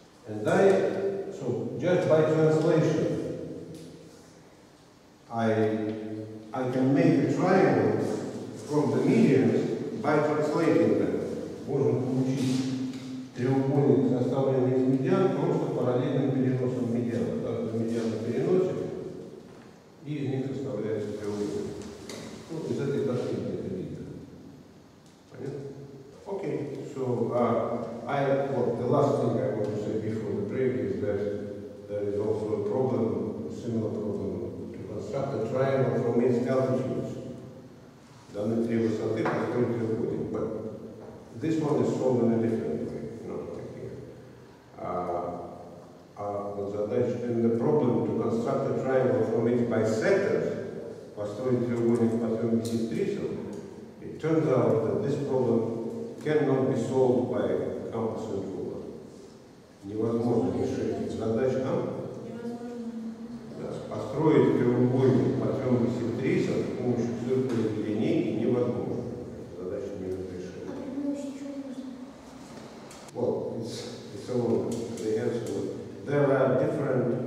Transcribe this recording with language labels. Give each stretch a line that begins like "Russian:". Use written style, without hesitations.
English: And I, so just by translation, I can make a triangle from the medians by translating them.
Russian: Можно получить треугольник, составленный из медиан, просто параллельным переносом медиана. Так, медиана переносит. И из них составляется треугольник. Вот из этой картинки это видно. Понятно? Okay.
English: So the last thing I want to say before the break is that there is also a problem, a similar problem, to construct a triangle from its altitudes.
Russian: Данный три высоты построить треугольник.
English: But this one is solved in a different way, not like here. And the problem to construct a triangle from its bisectors,
Russian: построить треугольник по трём бисектрисам,
English: it turns out that this problem cannot be solved by compass and ruler.
Russian: Невозможно решить задачу, а? Невозможно. Да, построить треугольник по трём бисектрисам с помощью циркуля и линейки невозможно. Задача не разрешена. А при помощи чего нужно?
English: Well, it's a long answer. There are different